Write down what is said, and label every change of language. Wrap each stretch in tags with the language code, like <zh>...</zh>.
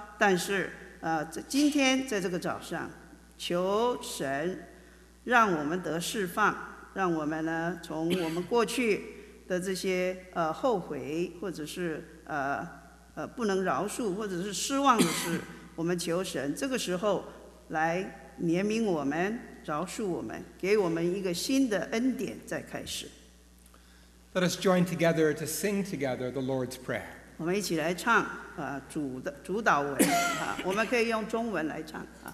<zh>但是今天在这个早上，求神让我们得释放，让我们呢从我们过去的这些后悔，或者是不能饶恕，或者是失望的事，我们求神这个时候来怜悯我们，饶恕我们，给我们一个新的恩典再开始。</zh> <en>Let us join together to sing together the Lord's Prayer.</en> <zh>我们一起来唱主祷文我们可以用中文来唱</zh>